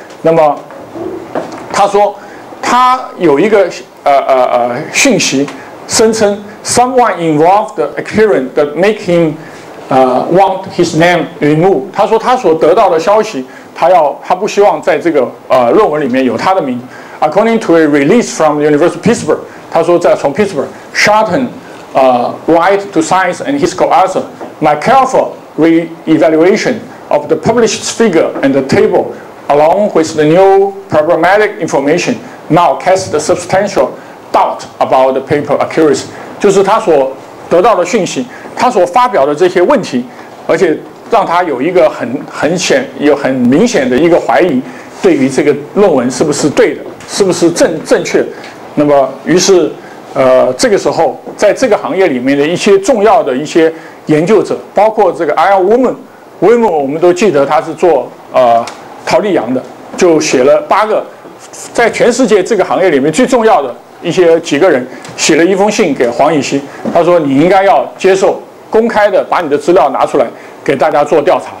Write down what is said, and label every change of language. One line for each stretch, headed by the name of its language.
Chinese: 那么他说他有一个讯息声称
English: someone involved the experience that make him want his name removed。
Chinese: 他说他所得到的消息，他不希望在这个论文里面有他的名字。
English: According to a release from the University of Pittsburgh，
Chinese: 他说在从
English: Pittsburgh， Shorten write to Science and his co-author， my careful re-evaluation of the published figure and the table along with the new problematic information now cast a substantial doubt about the paper accuracy。
Chinese: 就是他所得到的讯息，他所发表的这些问题，而且让他有一个很明显的一个怀疑，对于这个论文是不是对的，是不是正确。那么于是这个时候在这个行业里面的一些重要的一些研究者，包括这个 Iowoman 我们都记得他是做陶立阳的，就写了8个在全世界这个行业里面最重要的一些几个人，写了一封信给黄禹锡，他说你应该要接受公开的把你的资料拿出来给大家做调查。